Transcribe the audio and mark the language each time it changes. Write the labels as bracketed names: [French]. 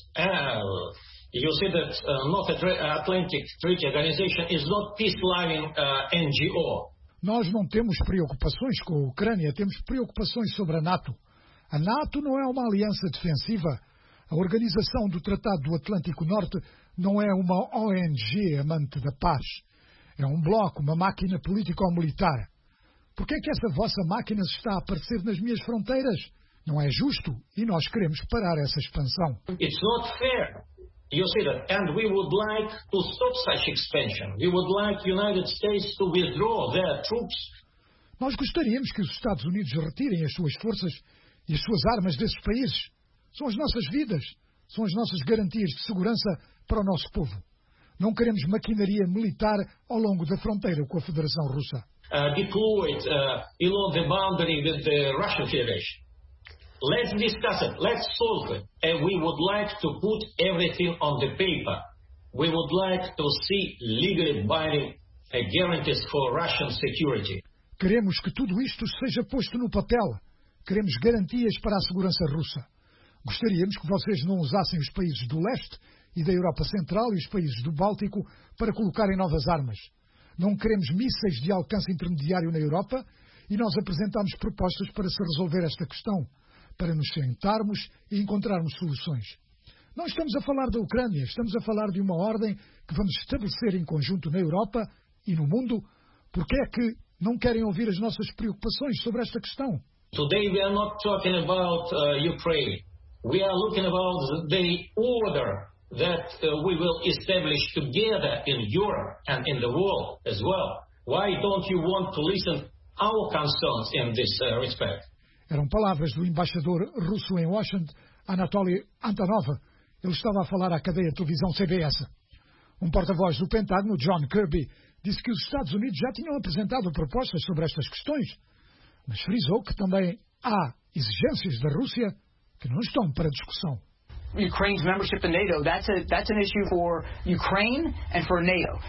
[English] You see that North Atlantic Treaty Organization is not peace-loving NGO. [Portuguese] Nós não temos preocupações com a Ucrânia, temos preocupações sobre a NATO. A NATO não é uma aliança defensiva. A Organização do Tratado do Atlântico Norte não é uma ONG amante da paz. É um bloco, uma máquina política ou militar. Por que é que essa vossa máquina está a aparecer nas minhas fronteiras? Não é justo e nós queremos parar essa expansão. [English] It's not fair. You see that? And we would like to stop such expansion. We would like United States to withdraw their troops. [Portuguese] Nós gostaríamos que os Estados Unidos retirem as suas forças e as suas armas desses países. São as nossas vidas, são as nossas garantias de segurança para o nosso povo. Não queremos maquinaria militar ao longo da fronteira com a Federação Russa. [English] Deployed along the boundary with the Russian Federation. Let's discuss it. Let's solve it. And we would like to put everything on the paper. We would like to see legally binding guarantees for Russian security. [Portuguese] Queremos que tudo isto seja posto no papel. Queremos garantias para a segurança russa. Gostaríamos que vocês não usassem os países do leste e da Europa Central e os países do Báltico para colocarem novas armas. Não queremos mísseis de alcance intermediário na Europa e nós apresentámos propostas para se resolver esta questão, para nos sentarmos e encontrarmos soluções. Não estamos a falar da Ucrânia, estamos a falar de uma ordem que vamos estabelecer em conjunto na Europa e no mundo. Porque é que não querem ouvir as nossas preocupações sobre esta questão? [English] Today we are not talking about Ukraine. We are looking about the order that we will establish together in Europe and in the world as well. Why don't you want to listen to our concerns in this respect? [Portuguese] Eram palavras do embaixador russo em Washington, Anatoly Antonov. Ele estava a falar à cadeia de televisão CBS. Um porta-voz do Pentágono, John Kirby, disse que os Estados Unidos já tinham apresentado propostas sobre estas questões, mas frisou que também há exigências da Rússia que não estão para discussão. [English] Ukraine's membership in NATO, that's an issue for Ukraine and for NATO.